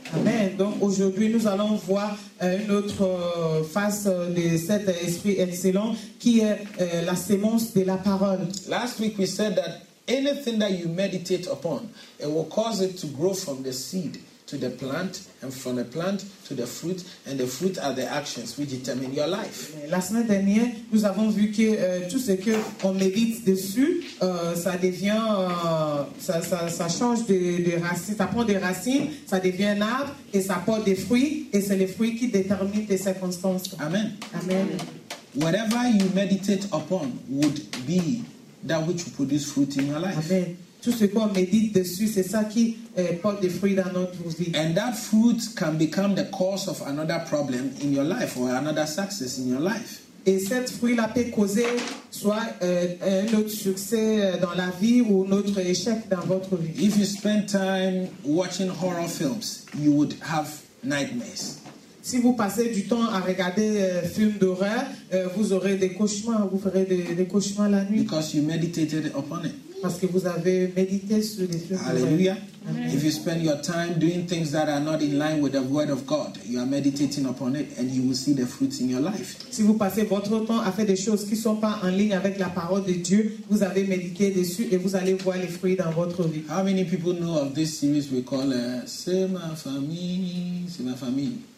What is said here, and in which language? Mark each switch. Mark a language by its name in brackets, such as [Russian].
[French] Amen. Donc aujourd'hui nous allons voir une autre face de cet esprit excellent qui est la semence de la parole. [English] Last week we said that anything that you meditate upon, it will cause it to grow from the seed to the plant, and from the plant to the fruit, and the fruit are the actions which determine your life. [French] La semaine dernière, nous avons vu que tout ce que on médite dessus, ça devient, ça change de racines, ça prend des racines, ça devient un arbre, et ça porte des fruits, et c'est les fruits qui déterminent tes circonstances. Amen. Amen. [English] Whatever you meditate upon would be that which will produce fruit in your life. Amen. [French] Tout ce qu'on médite dessus, c'est ça qui porte des fruits dans notre vie. [English] And that fruit can become the cause of another problem in your life or another success in your life. [French] Et cette fruit-là peut causer soit un autre succès dans la vie ou un autre échec dans votre vie. [English] If you spend time watching horror films, you would have nightmares. [French] Si vous passez du temps à regarder films d'horreur, vous aurez des cauchemars, vous ferez des cauchemars la nuit. [English] Because you meditated upon it. [French] parce que vous avez médité sur les choses. Alléluia. [English] If you spend your time doing things that are not in line with the word of God, you are meditating upon it and you will see the fruits in your life. [French] Si vous passez votre temps à faire des choses qui sont pas en ligne avec la parole de Dieu, vous avez médité dessus et vous allez voir les fruits dans votre vie. [English] How many people know of this series we call C'est ma famille.